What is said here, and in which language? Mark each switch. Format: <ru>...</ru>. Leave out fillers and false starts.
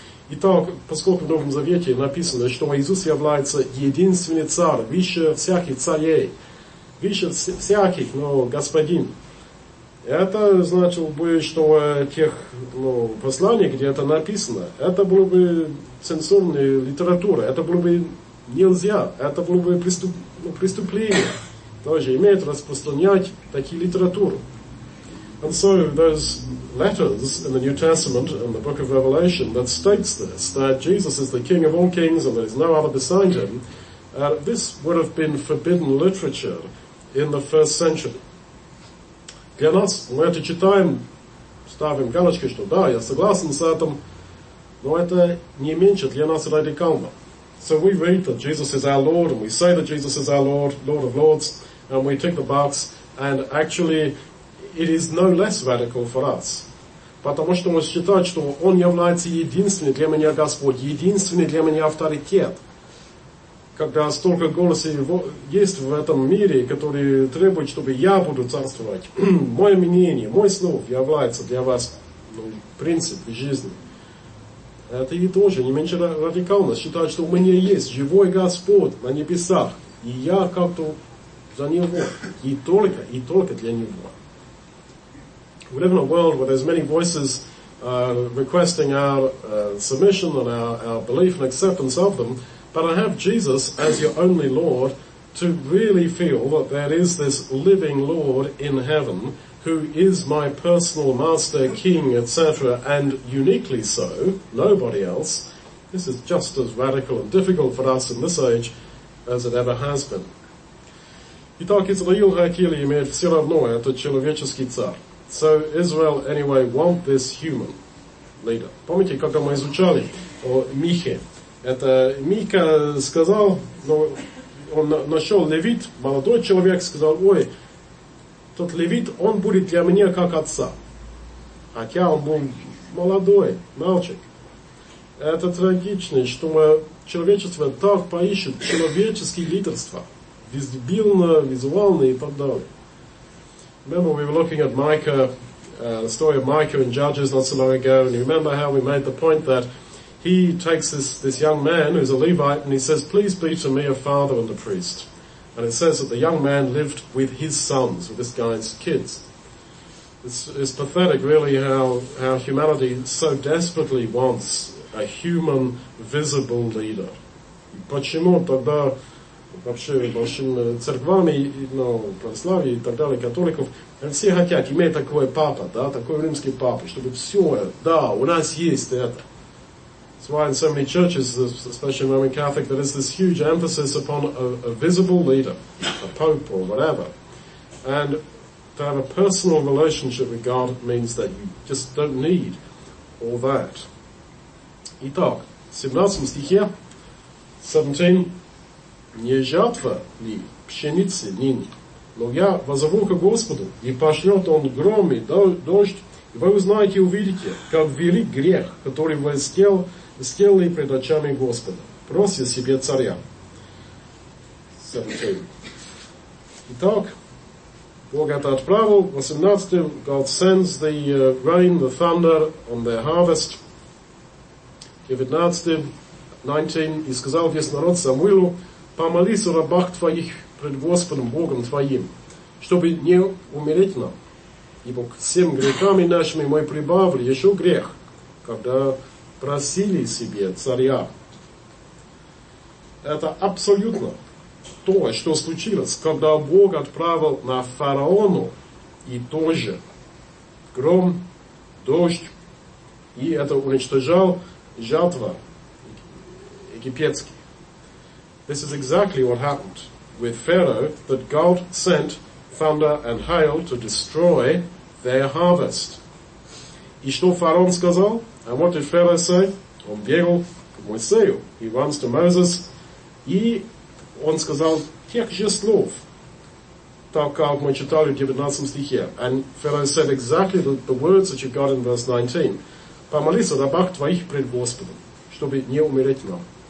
<ru>Итак, поскольку в Новом Завете написано, что Иисус является единственный царь, выше всяких царей, выше всяких, но господин, это значило бы, что тех посланий, где это написано, это было бы цензурная литература, это было бы нельзя, это было бы преступление. Тоже имеет распространять такие литературы.</ru> <en>And so those letters in the New Testament and the book of Revelation that states this, that Jesus is the King of all kings and there is no other beside him, this would have been forbidden literature in the first century.</en> <ru>Для нас, мы это читаем, ставим галочки, что да, я согласен с этим, но это не меньше для нас радикально.</ru> <en>So we read that Jesus is our Lord and we say that Jesus is our Lord, Lord of Lords, and we tick the box and actually it is no less radical for us.</en> <ru>Потому что мы считаем, что Он является единственным для меня Господь, единственный для меня авторитет. Когда столько голосов есть в этом мире, которые требуют, чтобы я буду царствовать, мое мнение, мой слово является для вас принцип жизни. Это и тоже не меньше радикально считать, что у меня есть живой Господь на небесах, и я как-то за Него, и только для Него.</ru> <en>We live in a world where there's many voices requesting our submission and our belief and acceptance of them, but I have Jesus as your only Lord to really feel that there is this living Lord in heaven who is my personal master, king, etc., and uniquely so, nobody else. This is just as radical and difficult for us in this age as it ever has been.</en> <ru>Итак, Израил хотели иметь все равно этот человеческий царь.</ru> <en>So Israel, anyway, want this human leader.</en> <ru>Помните, когда мы изучали о Михе? Это Миха сказал, он нашел левит, молодой человек, сказал, ой, тот левит, он будет для меня как отца. Хотя он был молодой, мальчик. Это трагично, что человечество так поищет человеческие лидерства, визибильно, визуально и так далее.</ru> <en>Remember we were looking at Micah, the story of Micah and Judges not so long ago, and you remember how we made the point that he takes this young man who's a Levite and he says, please be to me a father and a priest. And it says that the young man lived with his sons, with this guy's kids. It's pathetic, really, how humanity so desperately wants a human, visible leader.</en> <ru>Почему тогда вообще большими церквами, ну, православие и так далее, католиков, все хотят иметь такой папа, да, такой римский папа, чтобы все, да, у нас есть это.</ru> <en>That's why in so many churches, especially Roman Catholic, there is this huge emphasis upon a visible leader, a pope or whatever. And to have a personal relationship with God means that you just don't need all that.</en> <ru>Итак, 17 стихе, 17, не жатва ли пшеницы ныне, но я возову ко Господу, и пошлет он гром и дождь, и вы узнаете и увидите, как велик грех, который вы сделали пред очами Господа, прося себе царя. 17. Итак, Бог это отправил,</ru> <en>18, God sends the rain, the thunder on their harvest.</en> <ru>19, и сказал весь народ Самуилу, помолись о рабах твоих пред Господом Богом твоим, чтобы не умереть нам, ибо к всем грехам нашими мы прибавили еще грех, когда просили себе царя. Это абсолютно то, что случилось, когда Бог отправил на фараону и тоже гром, дождь, и это уничтожал жатва египетский.</ru> <en>This is exactly what happened with Pharaoh, that God sent thunder and hail to destroy their harvest.</en> <ru>И что фараон сказал?</ru> <en>And what did Pharaoh say?</en> <ru>Он бегал к Моисею.</ru> <en>He runs to Moses.</en> <ru>И он сказал тех же слов, так как мы читали в 19 стихе.</ru> <en>And Pharaoh said exactly the words that you got in verse 19.</en> <ru>Помолись о рабах твоих пред Господом, чтобы не умереть нам.</ru>